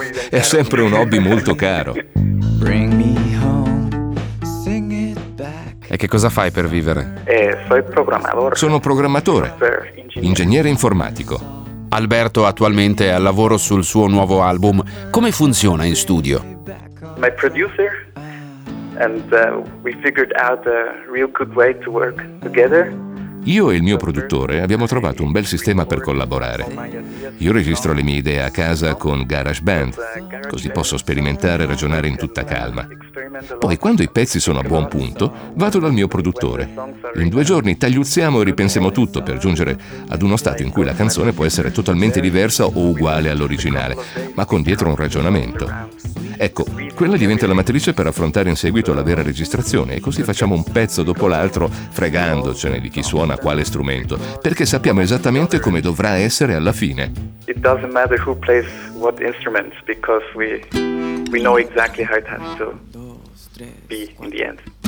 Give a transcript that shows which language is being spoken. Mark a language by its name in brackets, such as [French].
[Italian] È sempre un hobby molto caro. [English] Bring me home, sing it back. [Italian] E che cosa fai per vivere? Sono programmatore. Ingegnere informatico. Alberto attualmente è al lavoro sul suo nuovo album. Come funziona in studio? [English] My producer and we figured out a real good way to work together. [Italian] Io e il mio produttore abbiamo trovato un bel sistema per collaborare. Io registro le mie idee a casa con GarageBand, così posso sperimentare e ragionare in tutta calma. Poi, quando i pezzi sono a buon punto, vado dal mio produttore. In due giorni tagliuzziamo e ripensiamo tutto per giungere ad uno stato in cui la canzone può essere totalmente diversa o uguale all'originale, ma con dietro un ragionamento. Ecco, quella diventa la matrice per affrontare in seguito la vera registrazione, e così facciamo un pezzo dopo l'altro, fregandocene di chi suona quale strumento, perché sappiamo esattamente come dovrà essere alla fine. [English] It doesn't matter who plays what instruments, because we know exactly how it has to be in the end.